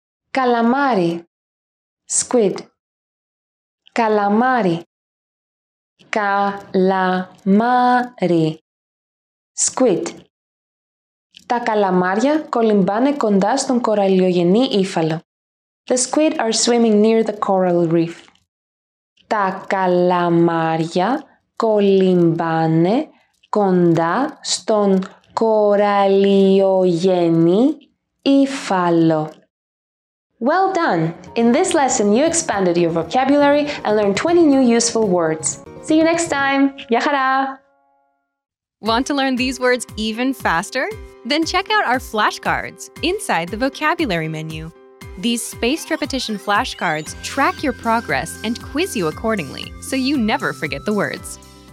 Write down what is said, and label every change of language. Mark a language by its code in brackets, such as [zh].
[el] Καλαμάρι. [en] Squid. [el] Καλαμάρι. Καλαμάρι. [en] Squid. [el] Τα καλαμάρια κολυμπάνε κοντά στον κοραλιογενή ύφαλο. [en] The squid are swimming near the coral reef. [el] Τα καλαμάρια κολυμπάνε κοντά στον κοραλιογενή ύφαλο. [en] Well done! In this lesson, you expanded your vocabulary and learned 20 new useful words. See you next time! [el] Γεια χαρά! [en] Want to learn these words even faster? Then check out our flashcards inside the vocabulary menu. These spaced repetition flashcards track your progress and quiz you accordingly, so you never forget the words.